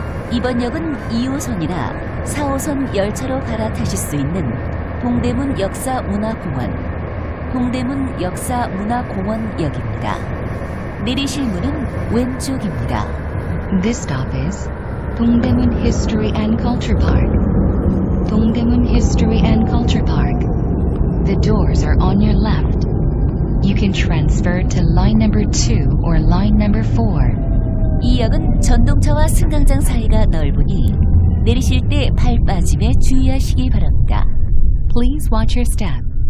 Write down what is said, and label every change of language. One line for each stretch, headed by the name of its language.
Korean: 이번 역은 2호선이나 4호선 열차로 갈아타실 수 있는 동대문 역사문화공원, 동대문 역사문화공원역입니다. 내리실 문은 왼쪽입니다.
English: This stop is 동대문 History and Culture Park. 동대문 History and Culture Park. The doors are on your left. You can transfer to line number 2 or line number 4.
Korean: 이 역은 전동차와 승강장 사이가 넓으니 내리실 때 발 빠짐에 주의하시기 바랍니다.
English: Please watch your step.